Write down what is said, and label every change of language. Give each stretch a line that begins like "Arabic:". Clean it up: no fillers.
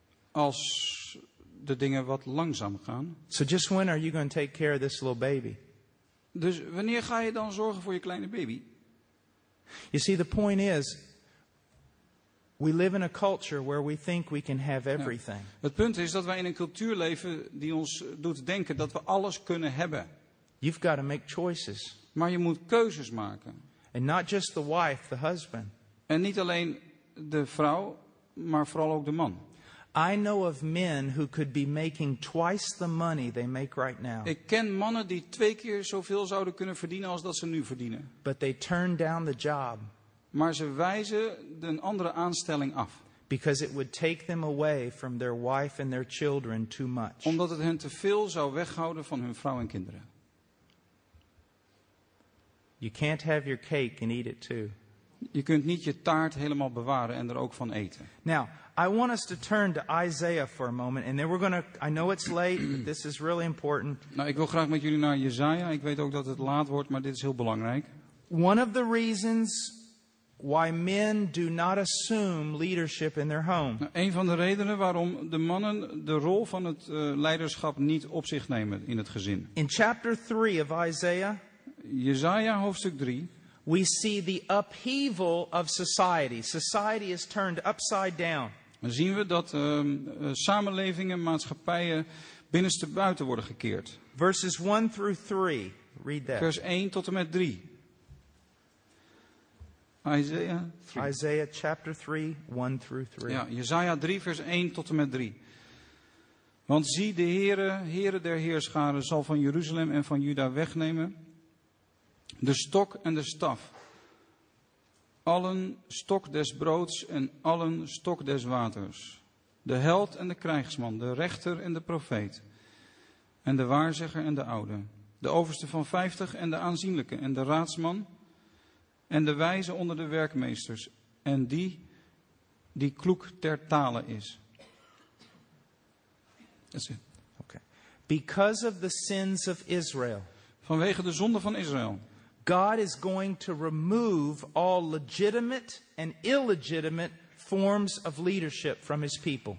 Dutch: Als de dingen wat langzaam gaan.
English: So just when are you going to take care of this little baby?
Dutch: Dus wanneer ga je dan zorgen voor je kleine baby?
English: You see, the point is, we live in a culture where we think we can have everything.
Dutch: Ja, het punt is dat wij in een cultuur leven die ons doet denken dat we alles kunnen hebben.
English: You've got to make choices.
Dutch: Maar je moet keuzes maken.
English: And not just the wife, the husband.
Dutch: En niet alleen de vrouw, maar vooral ook de man.
English: I know of men who could be making twice the money they make right now.
Dutch: Ik ken mannen die twee keer zoveel zouden kunnen verdienen als dat ze nu verdienen.
English: But they turn down the job.
Dutch: Maar ze wijzen een andere aanstelling af.
English: Because it would take them away from their wife and their children too much.
Dutch: Omdat het hen te veel zou weghouden van hun vrouw en kinderen.
English: You can't have your cake and eat it too.
Dutch: Je kunt niet je taart helemaal bewaren en er ook van eten.
English: Now, I want us to turn to Isaiah for a moment, and then we're going to. I know it's late, but this is really important.
Dutch: Nou, ik wil graag met jullie naar Jesaja. Ik weet ook dat het laat wordt, maar dit is heel belangrijk.
English: One of the reasons why men do not assume leadership in their home.
Dutch: Nou, een van de redenen waarom de mannen de rol van het leiderschap niet op zich nemen in het gezin.
English: In chapter 3 of Isaiah.
Dutch: Jesaja hoofdstuk 3.
English: We see the upheaval of society. Society is turned upside down.
Dutch: Dan zien we dat samenlevingen, maatschappijen binnenste buiten worden gekeerd.
English: Verses 1 through 3. Read that.
Dutch: Vers 1 tot en met 3.
English: Isaiah 3. Isaiah chapter 3, 1 through 3.
Dutch: Ja, Jesaja 3 vers 1 tot en met 3. Want zie, de Heere, Heere der heerscharen zal van Jeruzalem en van Juda wegnemen de stok en de staf, allen stok des broods en allen stok des waters, de held en de krijgsman, de rechter en de profeet, en de waarzegger en de oude, de overste van 50 en de aanzienlijke en de raadsman, en de wijze onder de werkmeesters, en die die kloek ter tale is.
English: That's it. Okay. Because of the sins of Israel.
Dutch: Vanwege de zonde van Israël.
English: God is going to remove all legitimate and illegitimate forms of leadership from his people.